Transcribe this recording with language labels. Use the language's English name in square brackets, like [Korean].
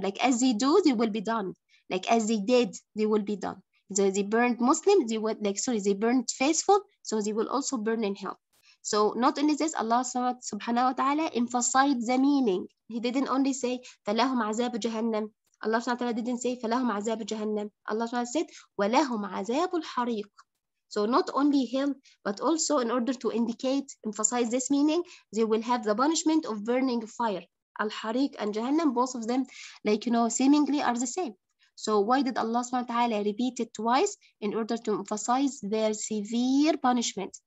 [English] Like, as they do, they will be done. Like, as they did, they will be done. So they burned Muslim, they burned faithful, so they will also burn in hell. So not only this, Allah subhanahu wa ta'ala emphasized the meaning. He didn't only say, [Arabic] فَلَهُمْ عَذَابُ جَهَنَّمْ. [English] Allah didn't say, [Arabic] فَلَهُمْ عَذَابُ جَهَنَّمُ. [English] Allah said, [Arabic] وَلَهُمْ عَذَابُ الْحَرِيقُ. [English] So not only hill, but also in order to indicate, emphasize this meaning, they will have the punishment of burning fire. Al-Hariq and Jahannam, both of them, like, you know, seemingly are the same. So why did Allah subhanahu wa ta'ala repeat it twice? In order to emphasize their severe punishment.